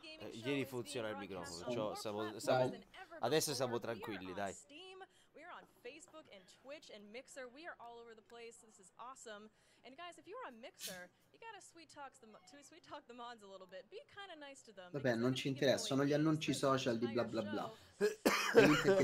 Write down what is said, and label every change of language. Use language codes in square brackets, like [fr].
[it] Ieri funziona il microfono, perciò adesso siamo tranquilli, dai. [en] Steam, we are on Facebook and Twitch and Mixer, we are all over the place. This is awesome. And guys, if you are on Mixer, you gotta sweet talk the mods a little bit. Be kind of nice to them. [it] Vabbè, non ci interessa, sono gli annunci social di bla bla bla.